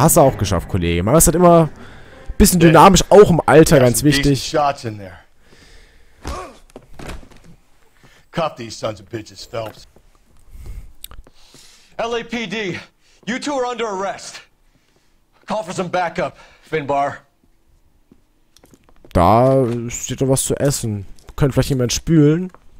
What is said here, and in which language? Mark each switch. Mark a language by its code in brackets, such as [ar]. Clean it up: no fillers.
[de] Hast du auch geschafft, Kollege. Man ist halt immer... Bisschen dynamisch, auch im Alter ganz wichtig. [en] LAPD, you two are under arrest. Call for some backup, Finbar. [de] Da steht doch was zu essen. Könnte vielleicht jemand spülen?